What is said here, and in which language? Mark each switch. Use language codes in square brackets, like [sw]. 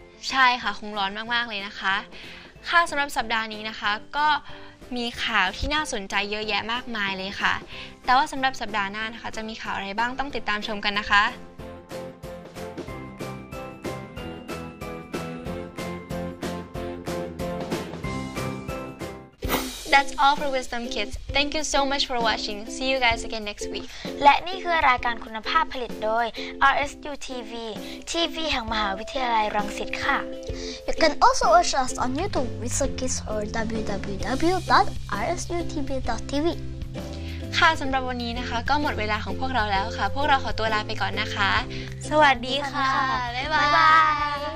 [th] ใช่ค่ะคงร้อนมากๆเลยนะคะค่ะสำหรับสัปดาห์นี้นะคะก็มีข่าวที่น่าสนใจเยอะแยะมากมายเลยค่ะแต่ว่าสำหรับสัปดาห์หน้านะคะจะมีข่าวอะไรบ้างต้องติดตามชมกันนะคะ [en] That's all for Wisdom Kids. Thank you so much for watching. See you guys again next week. [th] และนี่คือรายการคุณภาพผลิตโดย RSU TV, TV แห่งมหาวิทยาลัยรังสิตค่ะ [en] You can also watch us on YouTube, Wisdom Kids, or www.rsutv.tv. [th] ค่ะสำหรับวันนี้นะคะก็หมดเวลาของพวกเราแล้วค่ะพวกเราขอตัวลาไปก่อนนะคะสวัสดีค่ะบ๊ายบาย